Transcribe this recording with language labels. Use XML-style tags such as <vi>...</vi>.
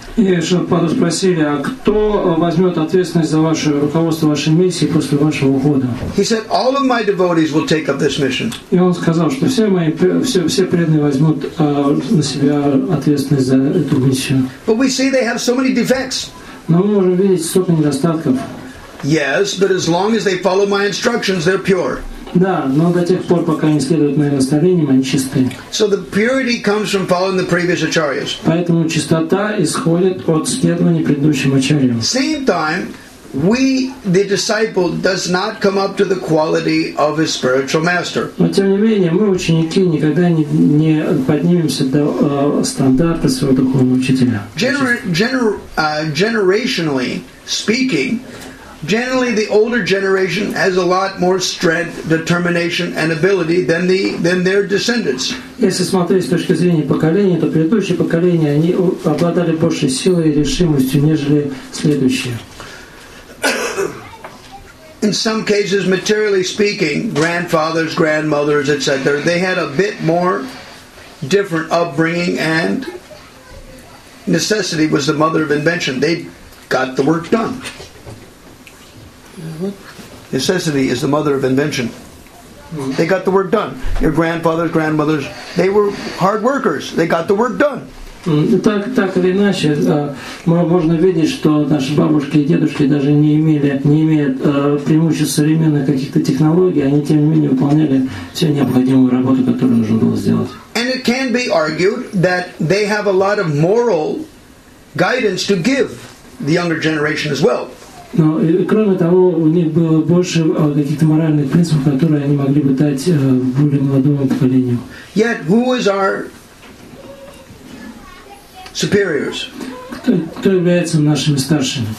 <ru>И Шрилпаду спросили, а кто возьмет ответственность за ваше руководство вашей миссии после вашего ухода?</ru> <en>He said, all of my devotees will take up this mission.</en> <ru>И он сказал, что все преданные возьмут на себя ответственность за эту миссию.</ru> <en>But we see they have so many defects.</en> <ru>Но мы можем видеть столько недостатков.</ru> <en>Yes, but as long as they follow my instructions, they're pure.</en> <ru>Да, но до тех пор, пока они следуют моим наставлениям, они чисты.</ru> <en>So the purity comes from following the previous acharyas.</en> <ru>Поэтому чистота исходит от следования предыдущим ачарьям.</ru> <en>Same time, we, the disciple, does not come up to the quality of his spiritual master.</en> <ru>Но тем не менее, мы, ученики, никогда не поднимемся до стандарта своего духовного учителя.</ru> <en>Generationally speaking, generally the older generation has a lot more strength, determination, and ability than the than their descendants.</en> <ru>Если смотреть с точки зрения поколения, то предыдущее поколение они обладали большей силой и решимостью, нежели следующее.</ru> <en>In some cases, materially speaking, grandfathers, grandmothers, etc., they had a bit more different upbringing, and necessity was the mother of invention. They got the work done. Mm-hmm. Necessity is the mother of invention. Mm-hmm. They got the work done. Your grandfathers, grandmothers, they were hard workers. They got the work done.</en> <ru>Так или иначе, можно видеть, что наши бабушки и дедушки даже не имеют преимуществ современных каких-то технологий, они тем не менее выполняли всю необходимую работу, которую нужно было сделать.</ru> <en>And it can be argued that they have a lot of moral guidance to give the younger generation as well.</en> <ru>Но кроме того, у них было больше каких-то моральных принципов, которые они могли бы дать более молодому поколению.</ru> <en>Yet who is our superiors?</en> <ru>Кто является нашими старшими?</ru>